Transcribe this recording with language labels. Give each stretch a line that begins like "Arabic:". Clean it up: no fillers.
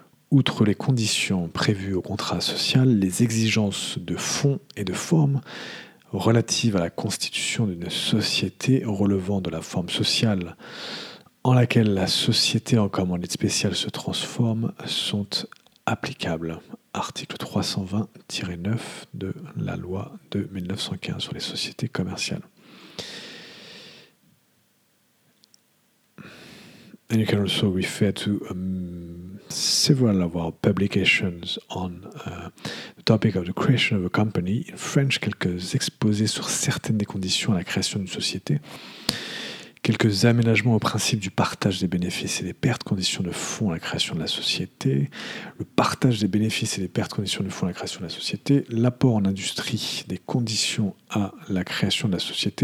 French: Outre les conditions prévues au contrat social, les exigences de fond et de forme relatives à la constitution d'une société relevant de la forme sociale en laquelle la société en commandite spéciale se transforme sont applicables. Article 320-9 de la loi de 1915 sur les sociétés commerciales.
English: And you can also refer to several of our publications on the topic of the creation of a company. In French,
French: quelques exposés sur certaines des conditions à la création d'une société. Quelques aménagements au principe du partage des bénéfices et des pertes, conditions de fond à la création de la société. Le partage des bénéfices et des pertes, conditions de fond à la création de la société. L'apport en industrie des conditions à la création de la société.